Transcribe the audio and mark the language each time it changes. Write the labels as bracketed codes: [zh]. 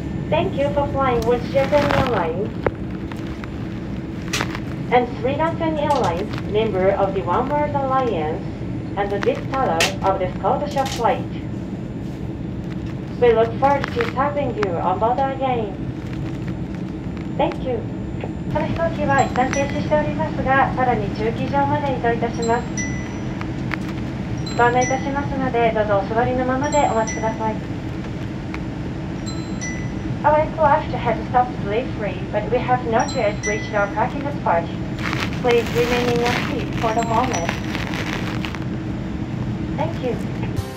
[en] Thank you for flying with Japan Airlines and Sri Lankan Airlines, member of the One World Alliance and the Vistara of the Scottish flight. We look forward to having you on board again. Thank you. [ja] この飛行機は一旦停止しておりますが、さらに駐機場まで移動いたします。ご案内いたしますので、どうぞお座りのままでお待ちください。 [en] Our aircraft has stopped briefly, but we have not yet reached our parking spot. Please remain in your seat for the moment. Thank you.